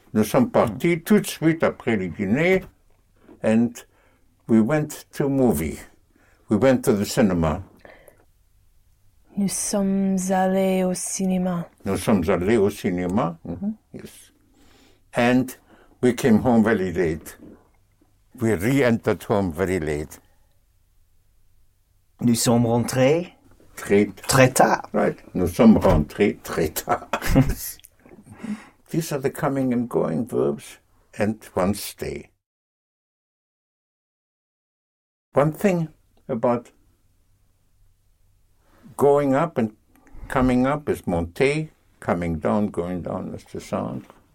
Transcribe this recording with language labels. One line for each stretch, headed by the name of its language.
French: Nous sommes partis tout de suite après le dîner.
English: And we went to movie. We went to the cinema.
French: Nous sommes allés au cinéma. Nous sommes allés au cinéma.
English: Mm-hmm. Yes. And we came home very late. We re-entered home very late.
French: Nous sommes rentrés. très tard. Très tard.
English: Right.
French: Nous sommes rentrés très tard.
English: These are the coming and going verbs, and one stay. One thing about going up and coming up is monter, coming down, going down is the sound.